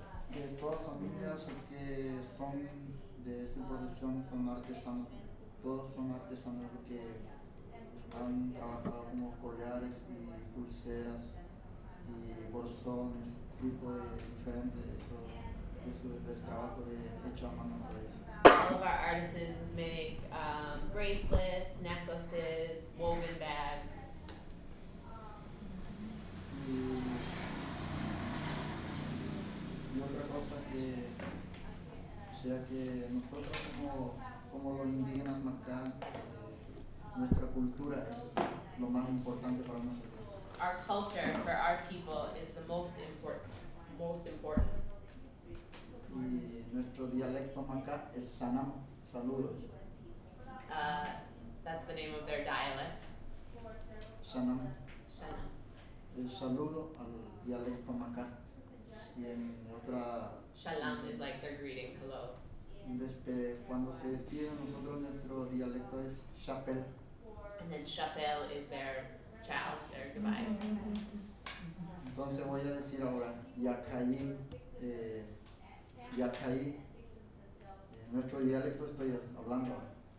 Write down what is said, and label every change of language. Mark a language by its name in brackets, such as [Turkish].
[Spanish] De todas las familias que son de su profesión son artesanos. Todos son artesanos porque han trabajado como collares y pulseras y bolsones, tipo de diferentes, eso es el trabajo de hecho a mano de eso. [English] All of our artisans make bracelets, necklaces, woven bags. [Spanish] Y otra cosa que, o sea que nosotros como los indígenas Macá, nuestra cultura es lo más importante para nosotros. [English] Our culture for our people is the most important. [Spanish] Y nuestro dialecto Macá es Sanam, saludos. [English] That's the name of their dialect. Sanam. Sanam. [Spanish] El saludo al dialecto Macá. Y en otra... [English] Shalom is like their greeting, hello. [Spanish] Cuando se despiden nosotros, nuestro dialecto es chapel. [English] And then chapel is their chow, their goodbye. [Spanish] Entonces voy a decir ahora, Yacayí, nuestro dialecto estoy hablando.